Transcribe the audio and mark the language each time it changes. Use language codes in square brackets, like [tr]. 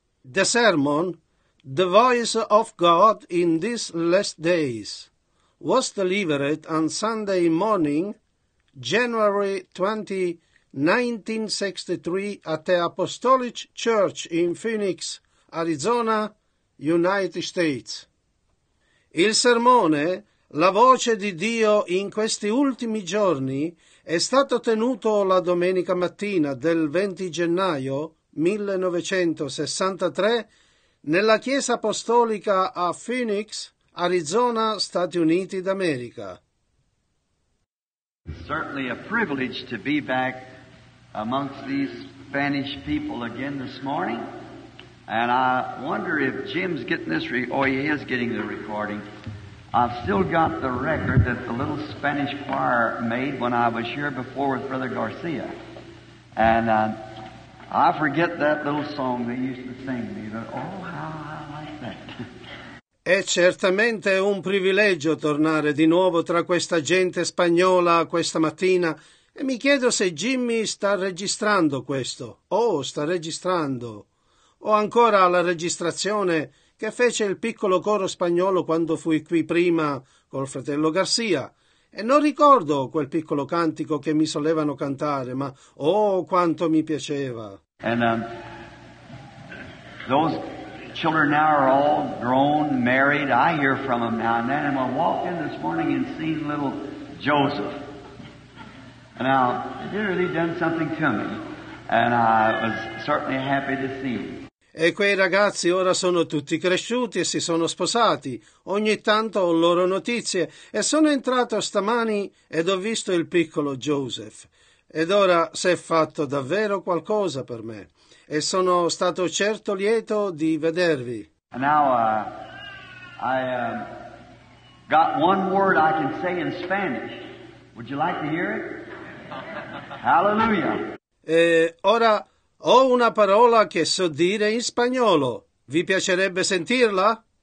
[en] The sermon, The Voice of God in These Last Days, was delivered on Sunday morning, January 20, 1963, at the Apostolic Church in Phoenix, Arizona, United States. [it] Il sermone, La voce di Dio in questi ultimi giorni, è stato tenuto la domenica mattina del 20 gennaio 1963 nella Chiesa Apostolica a Phoenix, Arizona, Stati Uniti d'America. [en] Certainly a privilege to be back amongst these Spanish people again this morning. And I wonder if Jim's getting this recording. I've still got the record that the little Spanish choir made when I was here before with Brother Garcia. And I forget that little song they used to sing me, but oh, how I like that. [it] È certamente un privilegio tornare di nuovo tra questa gente spagnola questa mattina. E mi chiedo se Jimmy sta registrando questo. Oh, sta registrando. O ancora la registrazione che fece il piccolo coro spagnolo quando fui qui prima col fratello Garcia. E non ricordo quel piccolo cantico che mi solevano cantare, ma oh, quanto mi piaceva. [en] And those children now are all grown, married. I hear from them now and then. And I walked in this morning and seen little Joseph. Now, he really done something to me. And I was certainly happy to see him. [it] E quei ragazzi ora sono tutti cresciuti e si sono sposati. Ogni tanto ho loro notizie e sono entrato stamani ed ho visto il piccolo Joseph. Ed ora si è fatto davvero qualcosa per me. E sono stato certo lieto di vedervi. [en] Now I got one word I can say in Spanish. Would you like to hear it? Hallelujah. [it] E ora ho una parola che so dire in spagnolo. Vi piacerebbe sentirla?